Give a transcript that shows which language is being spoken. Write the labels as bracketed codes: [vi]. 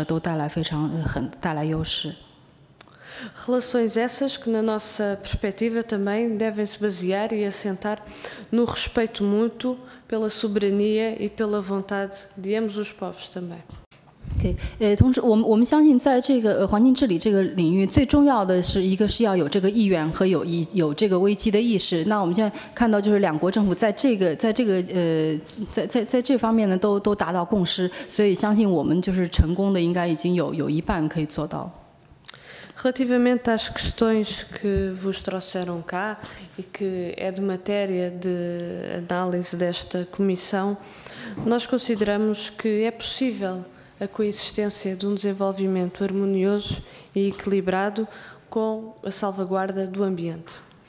[zh] 同样，我们也非常欣慰的看到中葡两国之间的在这个政治啊和各个高层上面方面的交流越来越密切。我们也认同两国政府目前都把这个经济把环境治理作为首要的一项这个工作，也相信我们之间的这个交流和合作啊，能够给两国的建设都带来非常很大的。 [pt] Relações essas que, na nossa perspectiva, também devem se basear e assentar no respeito mútuo pela soberania e pela vontade de ambos os povos também. [zh] OK，同时，我们相信，在这个环境治理这个领域，最重要的是一个是要有这个意愿和有这个危机的意识。那我们现在看到，就是两国政府在这方面呢，都达到共识，所以相信我们就是成功的，应该已经有一半可以做到。 [pt] Relativamente às questões que vos trouxeram cá e que é de matéria de análise desta comissão, nós consideramos que é possível a coexistência de um desenvolvimento harmonioso e equilibrado com a salvaguarda do ambiente.